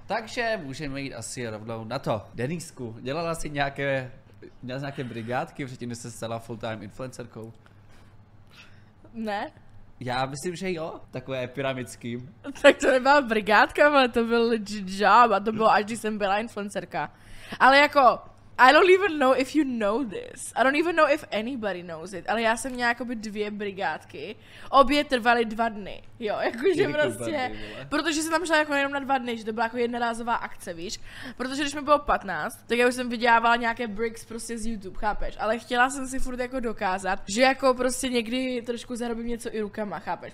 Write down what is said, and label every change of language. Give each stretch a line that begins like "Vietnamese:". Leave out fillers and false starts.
Czech: Takže můžeme jít asi rovnou na to. Denisku, dělala jsi nějaké brigádky předtím, než jsi stala full-time influencerkou? Ne. Já myslím, že jo, takové pyramidský. Tak to nebyla brigádka, ale to byl legit job a to bylo až když jsem byla influencerka. Ale jako,
English: I don't even know if you know this. I don't even know if anybody knows it.
Czech: Ale já jsem měla jakoby dvě brigádky. Obě trvaly dva dny. Jo, jakože prostě. Protože jsem tam šla jako jenom na dva dny, že to byla jako jednorázová akce, víš. Protože když mi bylo 15, tak já už jsem vydělávala nějaké bricks prostě z YouTube, chápeš. Ale chtěla jsem si furt jako dokázat, že jako prostě někdy trošku zarobím něco i rukama, chápeš.